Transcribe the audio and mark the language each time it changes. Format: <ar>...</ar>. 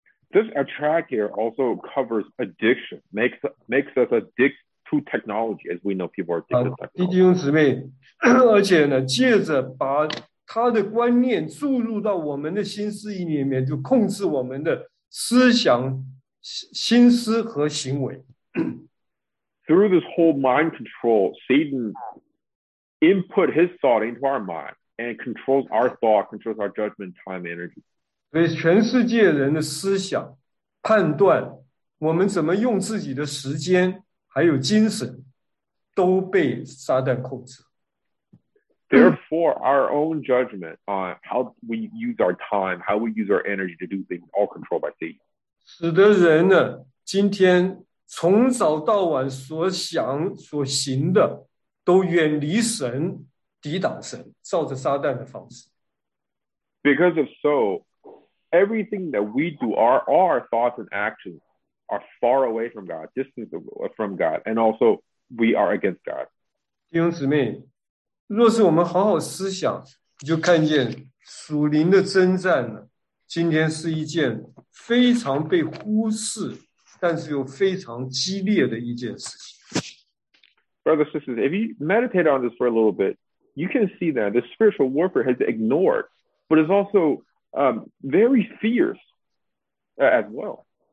<en>This attract here also covers addiction, makes us addict. Technology, as we know, people are addicted to technology.</en> <zh>弟兄姊妹，而且呢，借着把他的观念注入到我们的心思里面，就控制我们的思想、心思和行为。</zh> <en>Through this whole mind control, Satan input his thought into our mind and controls our thought, controls our judgment, time, energy.</en> <zh>所以，全世界人的思想、判断，我们怎么用自己的时间。还有精神都被撒旦控制。</zh> <en>Therefore, our own judgment on how we use our time, how we use our energy to do things, all controlled by Satan.</en> <zh>使得人呢，今天从早到晚所想所行的都远离神，抵挡神，照着撒旦的方式。</zh> <en>Because of so, everything that we do, all our thoughts and actions,are far away from God, distant from God, and also we are against God.</en> <zh>弟兄姊妹，若是我们好好思想，就看见属灵的征战呢，今天是一件非常被忽视，但是又非常激烈的一件事情。</zh> <en>Brothers and sisters, if you meditate on this for a little bit, you can see that the spiritual warfare has ignored, but is also very fierce as well.</en>